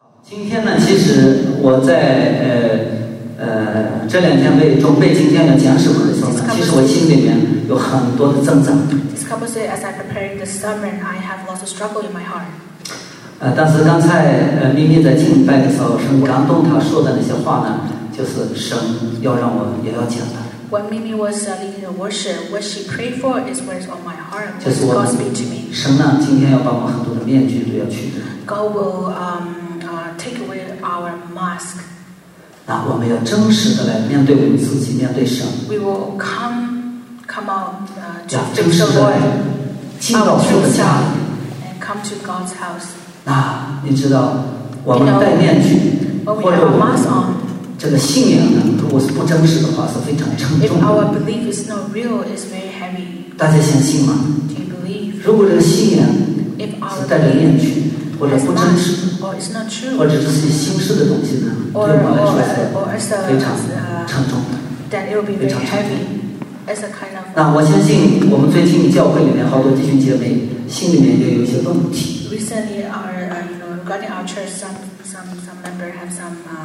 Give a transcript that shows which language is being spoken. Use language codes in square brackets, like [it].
[zh] 今天呢，其实我在这两天为准备今天的讲什么的时候呢，其实我心里面有很多的挣扎。 [en] This couple say, as I'm preparing the sermon, I have lots of struggle in my heart. [zh] 但是刚才咪咪在敬拜的时候，神感动他说的那些话呢，就是神要让我也要讲的。 [en] When Mimi was leading the worship, what she prayed for is what is on my heart, what God speak to me. [zh] 神呢，今天要把我们很多的面具都要去。 [en] God will take away our mask. [zh] 那我们要真实的来面对我们自己，面对神。 [en] We will come out to face the Lord. [zh] 要真实的来进到父的家里。 [en] And come to God's house. [zh] 那你知道，我们戴面具，或者我们。这个信仰呢，如果是不真实的话，是非常沉重的。 [en] If our belief is not real, it's very heavy. [zh] 大家相信吗？ [en] Do you believe? [zh] 如果这个信仰是戴着面具，或者不真实的， [en] or it's not true, [zh] 或者这些心事的东西呢， [en] or, [zh] 对我来说是非常沉重的， [en] then it will be very heavy. It's a kind of. [zh] 那我相信我们最近教会里面好多弟兄姐妹心里面也有一些问题。 [en] Recently, our regarding our church, some member have some.